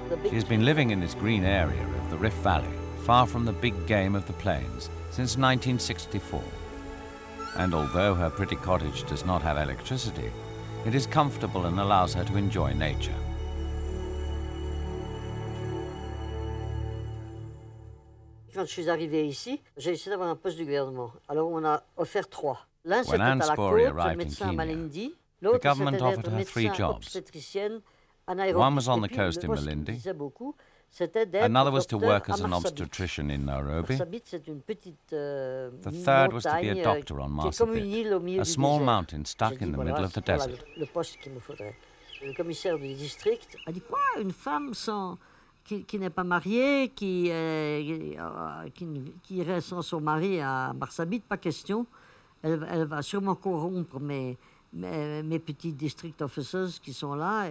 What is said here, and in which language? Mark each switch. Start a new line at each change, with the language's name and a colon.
English: She has been living in this green area of the Rift Valley, far from the big game of the plains, since 1964. And although her pretty cottage does not have electricity, it is comfortable and allows her to enjoy nature.
French: Quand je suis arrivé ici, j'ai essayé d'avoir un poste du gouvernement. Alors on a offert trois. L'un, c'était
English: Anne Spoerry arrived in Kenya, the government offered her three jobs. One was on the coast in Malindi. Another was to work as an obstetrician in Nairobi. The third was to be a doctor on Masabit, a small mountain stuck in the middle of the desert.
French: Le poste qu'il me faudrait. Le commissaire du district a dit quoi, une femme sans qui n'est pas mariée, qui irait sans son mari à Marsabit, pas question. Elle va sûrement corrompre mes petites district officers qui sont là.